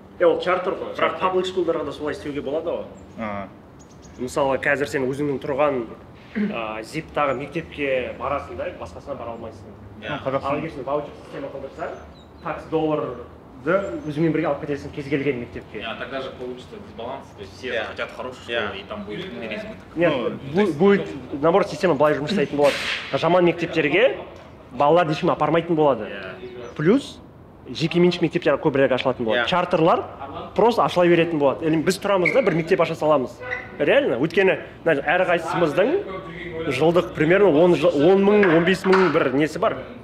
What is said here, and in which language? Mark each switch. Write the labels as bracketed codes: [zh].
[kk] Ол чартер ғой. Бірақ public school-дарға да солай істеуге болады ғой. Мысалы, қазір сен өзіңнің тұрған зиптағы мектепке барасың да, басқасына бара алмайсың. Ал егер сен ваучер система қолдансаң, такс долларды өзіңмен бірге алып кетесің кез келген мектепке. [ru] Тогда же получится дисбаланс, то есть все хотят хорошую школу, и там будет меризматик. Нет, будет, наоборот, [kk] система былай жұмыс істейтін болады. Жаман мектептерге балаларды ешкім апармайтын болады. Плюс жекеменшік мектептер көбірек ашылатын болады. Чартерлар просто ашыла беретін болады. Яғни біз тұрамыз да, бір мектеп аша саламыз. Реально, өйткені әрқайсымыздың жылдық примерно 10 000-15 000 бір несі бар.